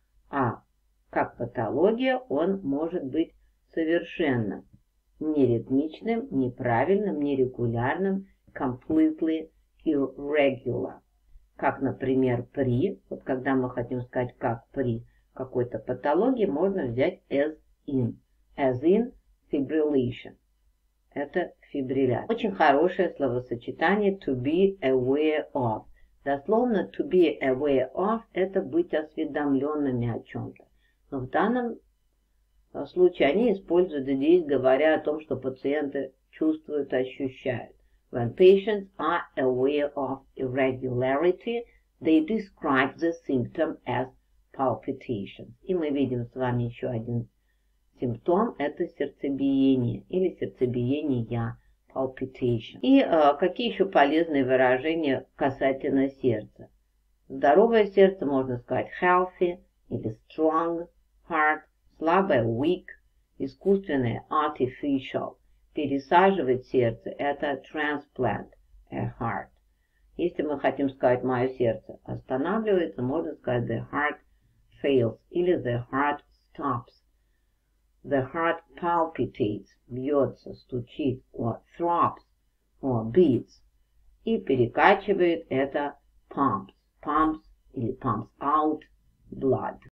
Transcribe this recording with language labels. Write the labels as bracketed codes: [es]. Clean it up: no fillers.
[ru] А как патология он может быть совершенно неритмичным, неправильным, нерегулярным, [en] completely irregular. [ru] Как, например, при, вот когда мы хотим сказать как при какой-то патологии, можно взять [en] as in fibrillation. [ru] Это фибрилляция. Очень хорошее словосочетание [en] to be aware of. [ru] Дословно [en] to be aware of [ru] – это быть осведомленными о чем-то. Но в данном случае они используют здесь, говоря о том, что пациенты чувствуют, ощущают. [en] When patients are aware of irregularity, they describe the symptom as palpitation. [ru] И мы видим с вами еще один симптом, это сердцебиение или сердцебиение, palpitation. И какие еще полезные выражения касательно сердца? Здоровое сердце можно сказать healthy или strong heart, слабое weak, искусственное artificial. Пересаживать сердце это [en] transplant a heart. [ru] Если мы хотим сказать мое сердце останавливается, можно сказать [en] the heart fails [ru] или [en] the heart stops. The heart palpitates, [ru] бьется, стучит, [en] or throbs, or beats. [ru] И перекачивает это pumps, pumps или [en] pumps out blood.